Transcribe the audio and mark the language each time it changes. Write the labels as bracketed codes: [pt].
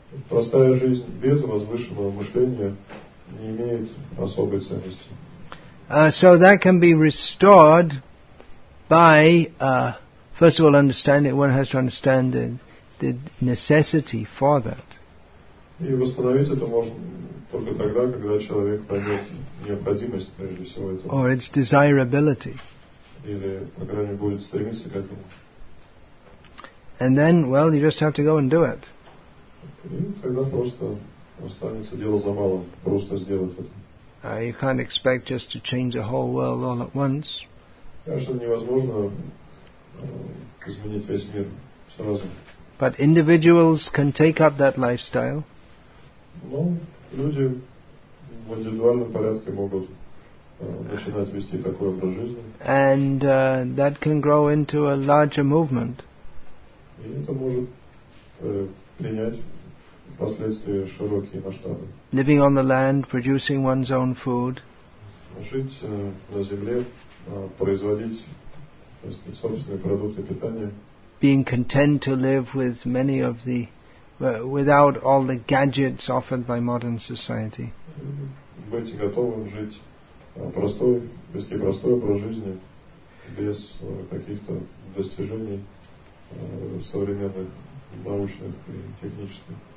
[ru] Простая жизнь без возвышенного мышления не имеет особой ценности. [en] So that can be restored by, first of all, understanding, one has to understand the necessity for that. [ru] И восстановить это можно только тогда, когда человек поймет необходимость, прежде всего, этого. [en] Or its desirability. [ru] Или, по крайней мере, будет стремиться к этому. [en] And then, well, you just have to go and do it. [ru] И тогда просто останется дело за малым, просто сделать это. [en] You can't expect just to change the whole world all at once. [ru] Конечно, невозможно изменить весь мир сразу. [en] But individuals can take up that lifestyle. [ru] Ну, люди в индивидуальном порядке могут начинать вести такой образ жизни. [en] And that can grow into a larger movement. [ru] И это может принять впоследствии широкие масштабы. [en] Living on the land, producing one's own food. [ru] Жить на земле, производить собственные продукты питания. [en] Being content to live with many of the without all the gadgets offered by modern society. [ru] Быть готовым жить простой, вести простой образ жизни без каких-то достижений современных, научных и технических.